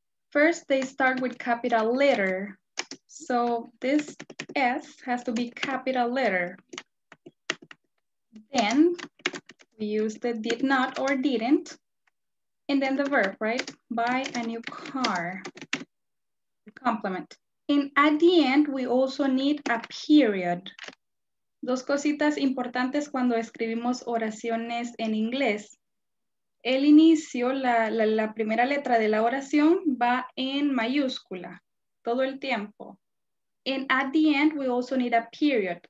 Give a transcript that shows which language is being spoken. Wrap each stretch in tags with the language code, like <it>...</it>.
<en>First, they start with capital letter. So this S has to be capital letter. Then we use the did not or didn't. And then the verb, right? Buy a new car, the complement. And at the end, we also need a period.</en> <es>Dos cositas importantes cuando escribimos oraciones en inglés. El inicio, la primera letra de la oración va en mayúscula, todo el tiempo.</es> <en>And at the end, we also need a period.</en>